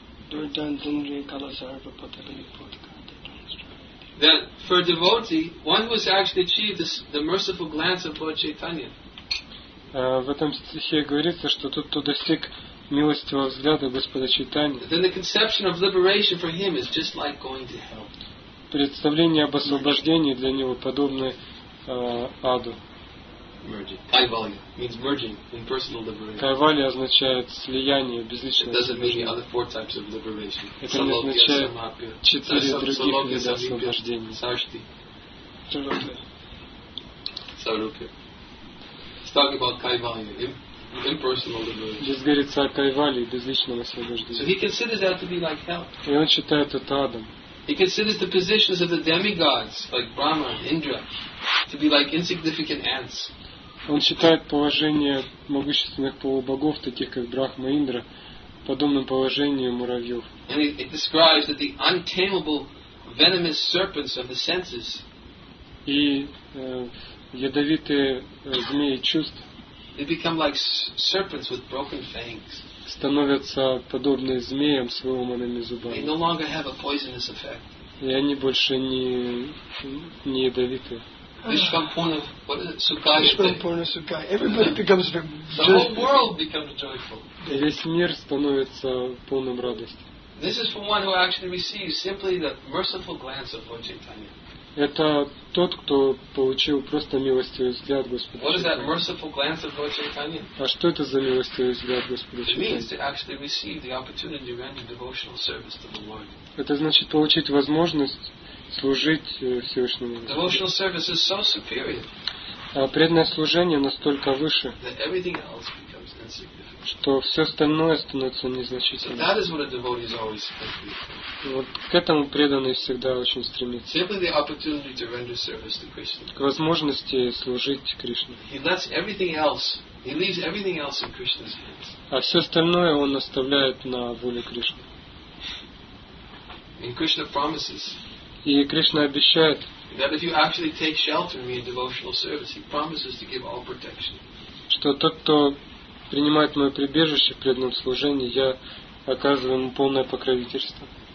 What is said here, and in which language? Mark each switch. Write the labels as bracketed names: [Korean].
[English] That for a devotee, one who has actually achieved the merciful glance of Lord Chaitanya. [Russian] В этом стихе говорится, что тот, кто достиг милостивого взгляда Господа Чайтаньи. [English] Then the conception of liberation for him is just like going to hell. [Russian] Представление об освобождении для него подобно аду. [English] Кайвалья means merging in personal liberation. [Russian] Кайвалья означает слияние, безличное. [English] It doesn't mean the other four types of liberation. [Russian] Это не означает четыре других вида освобождения. Сарупи. Сарупи. [English] It's talking about кайвалья, impersonal liberation. [Russian] Здесь говорится о кайвалье, безличном освобождении. [English] So he considers that to be like hell. [Russian] И он считает это адом. [English] He considers the positions of the demigods, like Brahma, Indra, to be like insignificant ants. [Russian] Он считает положение могущественных полубогов, таких как Брахма и Индра, подобным положению муравьев. [English] And it describes that the untamable venomous serpents of the senses. [Russian] И ядовитые змеи чувств. [English] They become like serpents with broken fangs. [Russian] Становятся подобные змеям с выломанными зубами. [English] They no longer have a poisonous effect. [Russian] И они больше не ядовиты. [English] Vishvampurna, what is it? Sukhaya. Vishvampurna, Sukhaya. Everybody becomes very joyful. The whole world becomes joyful. [Russian] И весь мир становится полным радости. [English] This is from one who actually receives simply the merciful glance of Lord Chaitanya. [Russian] Это тот, кто получил просто милостивый взгляд Господа. [English] What is that merciful glance of Lord Chaitanya? [Russian] А что это за милостивый взгляд Господа Чайтаньи? [English] It means to actually receive the opportunity to render devotional service to the Lord. [Russian] Это значит получить возможность служить Всевышнему. [English] Devotional service is so superior. [Russian] А преданное служение настолько выше, [English] that everything else becomes insignificant. [Russian] Что все остальное становится незначительным. [English] So that is what a devotee is always thinking. [Russian] Вот к этому преданный всегда очень стремится. [English] Simply the opportunity to render service to Krishna. [Russian] К возможности служить Кришне. [English] He lets everything else. He leaves everything else in Krishna's hands. [Russian] А все остальное он оставляет на воле Кришны. [English] And Krishna promises. [Russian] И Кришна обещает, [English] that if you actually take shelter in me in devotional service, he promises to give all protection. [Russian] Что тот, кто принимает мое прибежище в преданном служении, я оказываю ему полное покровительство.